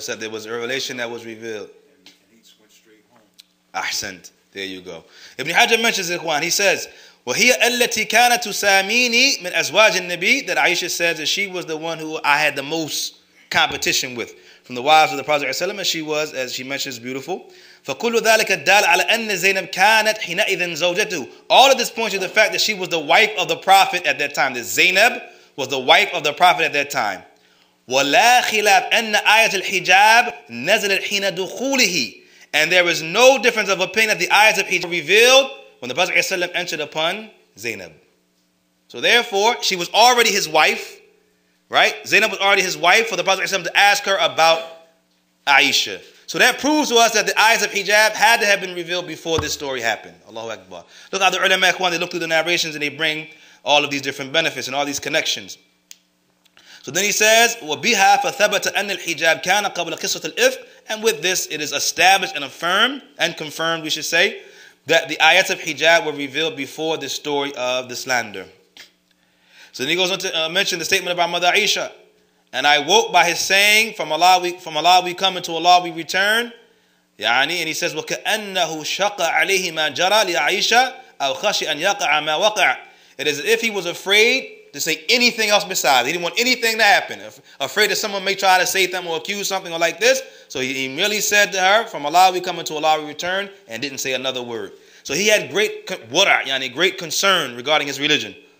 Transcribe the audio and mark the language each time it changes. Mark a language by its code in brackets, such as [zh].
[en] said there was a revelation that was revealed. And each went straight home. Ahsant. There you go. Ibn Hajar mentions Ikhwan. He says, [ar] وَهِيَ أَلَّتِي كَانَ تُسَامِينِي مِنْ أَزْوَاجِ النَّبِيِّ. [en] That Aisha says that she was the one who I had the most competition with from the wives of the Prophet ﷺ, and she was, as she mentions, beautiful. [ar] فَكُلُّ ذَلِكَ الدَّالَ عَلَى أَنَّ زَيْنَبْ كَانَتْ حِنَئِذٍ زَوْجَتُهُ. [en] All of this points to the fact that she was the wife of the Prophet at that time. That Zaynab was the wife of the Prophet at that time. [ar] وَلَا خِلَافَ أَنَّ آيَةَ الْحِجَابِ نَزَلَتْ حِنَ دُخُولِهِ. [en] And there is no difference of opinion that the ayat of hijab revealed when the Prophet ﷺ entered upon Zaynab. So therefore, she was already his wife, right? Zaynab was already his wife for the Prophet ﷺ to ask her about Aisha. So that proves to us that the ayat of hijab had to have been revealed before this story happened. Allahu Akbar. Look how the ulama ikhwan, they look through the narrations and they bring all of these different benefits and all these connections. So then he says, [ar] وَبِهَا فَثَبَتَ أَنَّ الْحِجَابِ كَانَ قَبْلَ قِصَّةِ الْإِفْقِ. [en] And with this, it is established and affirmed and confirmed, we should say, that the ayat of hijab were revealed before the story of the slander. So then he goes on to mention the statement of our mother Aisha. And I woke by his saying, from Allah we come and to Allah we return. And he says, [ar] وَكَأَنَّهُ شَقَ عَلَيْهِ مَا جَرَى لِعَيْشَ أَوْ خَشِ أَنْ يَقَعَ مَا وَقَعَ. [en] It is as if he was afraid to say anything else besides. He didn't want anything to happen. Afraid that someone may try to say them or accuse something or like this. So he merely said to her, from Allah we come and to Allah we return, and didn't say another word. So he had great wara, great concern regarding his religion.